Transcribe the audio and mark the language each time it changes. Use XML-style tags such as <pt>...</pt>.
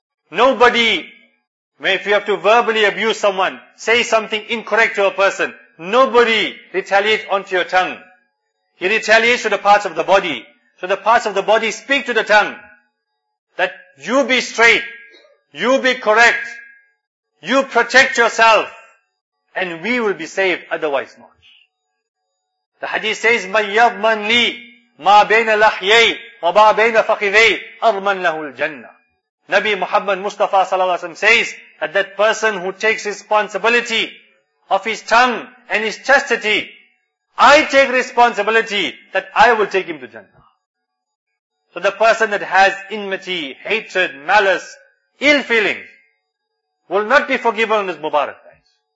<en>Nobody, if you have to verbally abuse someone, say something incorrect to a person, nobody retaliates onto your tongue. He retaliates to the parts of the body. So the parts of the body speak to the tongue. That you be straight, you be correct, you protect yourself, and we will be saved, otherwise not. The hadith says,</en> <ar>مَنْ يَضْمَنْ لِي مَا بَيْنَ لَحْيَيْ وَمَا بَيْنَ فَقِذَيْ أَرْمَنْ لَهُ الْجَنَّةِ.</ar> <en>Nabi Muhammad Mustafa sallallahu alaihi wasallam says that that person who takes responsibility of his tongue and his chastity, I take responsibility that I will take him to Jannah. So the person that has enmity, hatred, malice, ill feelings will not be forgiven on this Mubarak night.</en>